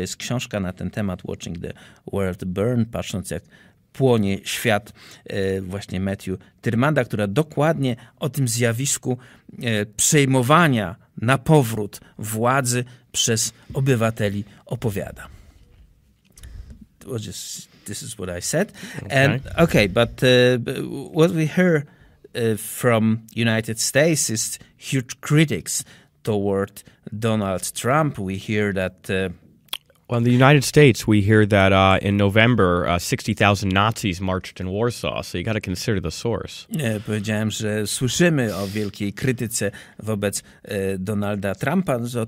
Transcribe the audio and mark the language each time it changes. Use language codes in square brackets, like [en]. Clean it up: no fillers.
[pl] Jest książka na ten temat, Watching the World Burn, patrząc jak płonie świat, właśnie Matthew Tyrmanda, która dokładnie o tym zjawisku przejmowania na powrót władzy przez obywateli opowiada. [en] This is what I said. Okay. And okay, but what we hear from United States is huge critics toward Donald Trump. We hear that In the United States, we hear that in November, 60,000 Nazis marched in Warsaw, so you got to consider the source. [pl] Powiedziałem, że słyszymy o wielkiej krytyce wobec Donalda Trumpa.